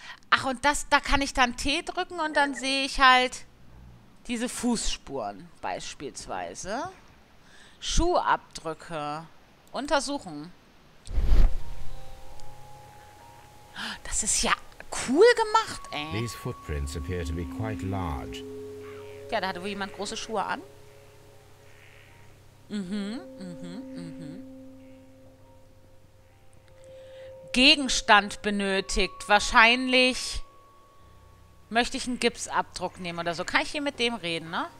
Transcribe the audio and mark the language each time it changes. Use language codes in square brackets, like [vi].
[de] Ach, und das, da kann ich dann T drücken und dann sehe ich halt diese Fußspuren beispielsweise. Schuhabdrücke. Untersuchen. Das ist ja cool gemacht, ey. [en] These footprints appear to be quite large. [de] Ja, da hatte wohl jemand große Schuhe an. Mhm, mhm, mhm. Gegenstand benötigt. Wahrscheinlich möchte ich einen Gipsabdruck nehmen oder so. Kann ich hier mit dem reden, ne?